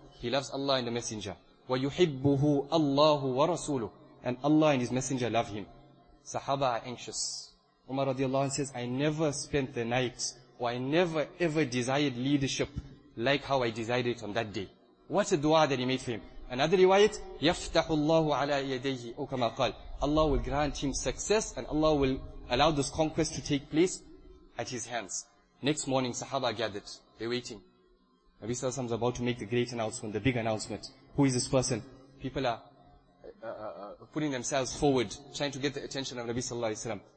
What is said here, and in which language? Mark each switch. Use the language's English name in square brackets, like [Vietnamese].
[English] He loves Allah and the Messenger. [Arabic] وَيُحِبُّهُ اللَّهُ وَرَسُولُهُ. [English] And Allah and His Messenger love him. Sahaba are anxious. Umar radiallahu anhu says, I never spent the night, or I never ever desired leadership like how I desired it on that day. What a dua that he made for him. Another riwayat, [Arabic] يَفْتَحُ اللَّهُ عَلَىٰ يَدَيْهِ. أو كما قال, [English] Allah will grant him success and Allah will allow this conquest to take place at his hands. Next morning, Sahaba gathered. They're waiting. Nabi sallallahu alayhi wa sallam is about to make the great announcement, the big announcement. Who is this person? People are putting themselves forward, trying to get the attention of Nabi sallallahu alayhi wa sallam.